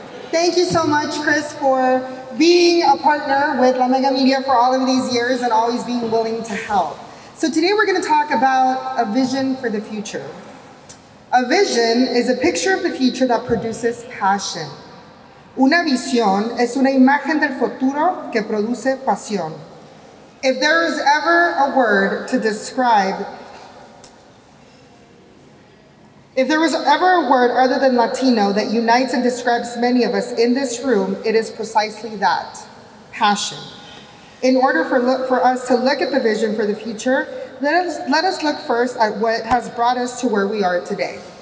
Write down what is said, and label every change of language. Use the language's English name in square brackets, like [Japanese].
[English] Thank you so much, Chris, for being a partner with La Mega Media for all of these years and always being willing to help. So today we're going to talk about a vision for the future. A vision is a picture of the future that produces passion. [Spanish] Una visión es una imagen del futuro que produce pasión. [English] If there is ever a word to describe If there was ever a word other than Latino that unites and describes many of us in this room, it is precisely that, passion. In order for us to look at the vision for the future, let us look first at what has brought us to where we are today.